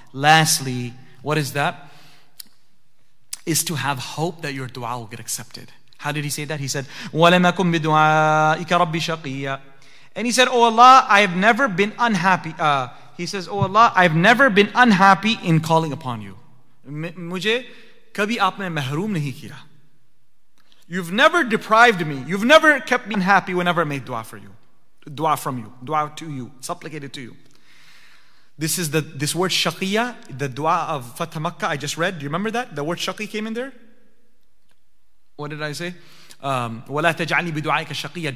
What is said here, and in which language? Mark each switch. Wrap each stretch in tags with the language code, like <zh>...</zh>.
<en>Lastly, what is that? Is to have hope that your dua will get accepted. How did he say that? He said,</en> <ar>وَلَمَكُمْ بِدُعَائِكَ رَبِّي شَقِيًّا.</ar> <en>And he said, oh Allah, I've never been unhappy. He says, oh Allah, I've never been unhappy in calling upon you.</en> <ur>مجھے کبھی آپ نے محروم نہیں کیا.</ur> <en>You've never deprived me. You've never kept me unhappy whenever I made dua for you. Dua from you. Dua to you. Supplicated to you. This is this word shaqiyya, the dua of Fatah Makkah I just read. Do you remember that? The word shaqi came in there? What did I say?</en> <ar>وَلَا تَجْعَلْنِي بِدُعَائِكَ شَقِيًّا.</ar>